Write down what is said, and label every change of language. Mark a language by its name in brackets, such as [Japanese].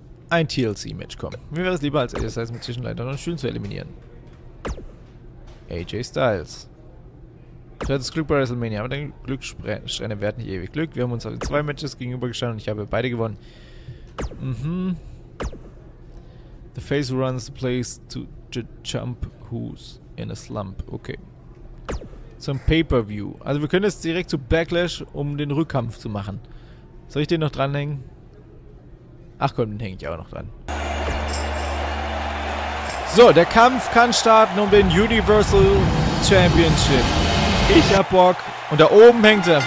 [German] Ein TLC-Match, komm. Mir wäre es lieber, als AJ Styles mit Zwischenleitern und Schülern zu eliminieren. AJ Styles. Du hattest Glück bei WrestleMania, aber deine Glücksstrenne werden nicht ewig Glück. Wir haben uns auf 2 Matches gegenübergestanden und ich habe beide gewonnen. [English] The face runs the place to jump who's in a slump. [German] Okay. Zum Pay-Per-View. Also wir können jetzt direkt zu Backlash, um den Rückkampf zu machen. Soll ich den noch dranhängen? Ach komm, den hänge ich auch noch dran. So, der Kampf kann starten um den Universal Championship. Ich hab Bock. Und da oben hängt er.